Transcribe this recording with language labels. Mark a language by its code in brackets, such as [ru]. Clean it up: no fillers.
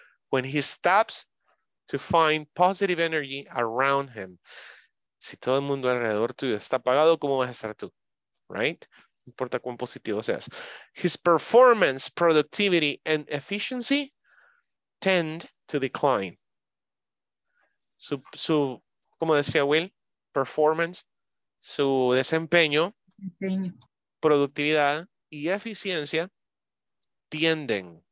[en] When he stops to find positive energy around him. [es] Si todo el mundo alrededor tuyo está apagado, ¿cómo vas a estar tú? [en] Right? [es] No importa cuán positivo seas. [en] His performance, productivity, and efficiency tend to decline. [es] Su como decía Will, performance, su desempeño, productividad, y eficiencia tienden.